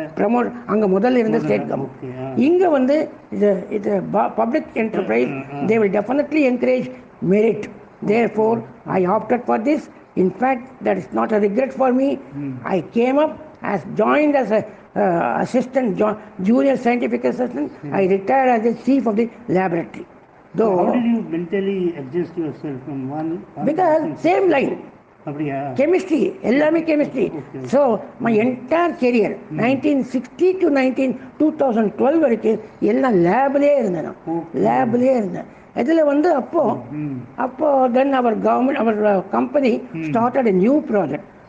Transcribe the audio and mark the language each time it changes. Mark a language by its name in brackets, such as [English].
[English] promotion [Tamil] அங்கே முதல்ல இருந்த [English] State government. [Tamil] இங்கே வந்து இது இது [English] Public enterprise, they will definitely encourage merit. Therefore I opted for this. In fact that is not a regret for me. I came up as joined as a assistant junior scientific assistant. I retire as the chief of the laboratory. So, how did you mentally adjust yourself from one? Because same line. [Tamil] அப்படியா? Chemistry, எல்லாமே chemistry. [English] so my entire career 1960 to 2012 [Tamil] வரைக்கும் எல்லாம் லேப்லேயே இருந்தேன். லேப்லேயே இருந்தேன். இதில் வந்து அப்போது [English] Then our government, our company started a new project.